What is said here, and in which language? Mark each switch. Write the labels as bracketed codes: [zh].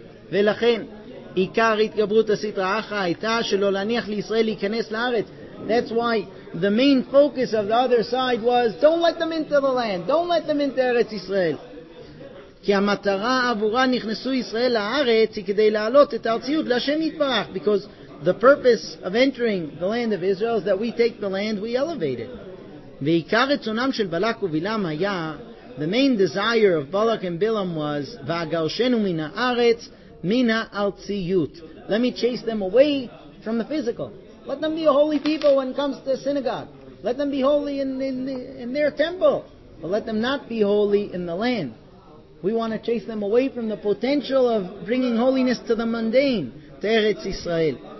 [he] ולכן, עיקר התגברות הסטרה אחרא הייתה שלא להניח לישראל להיכנס לארץ. [en] That's why the main focus of the other side was don't let them into the land, don't let them into ארץ ישראל. [he] כי המטרה עבורה נכנסו ישראל לארץ היא כדי להעלות את הארציות להשם יתברך. [en] Because the purpose of entering the land of Israel is that we take the land, we elevate it. [he] ועיקר רצונם של בלק ובילם היה, [en] the main desire of Balak and Bilam was [he] והגרשנו מן הארץ מינה אלציות. [en] Let me chase them away from the physical. Let them be a holy people when it comes to the synagogue. Let them be holy in their temple. But let them not be holy in the land. We want to chase them away from the potential of bringing holiness to the mundane. Teretz Israel.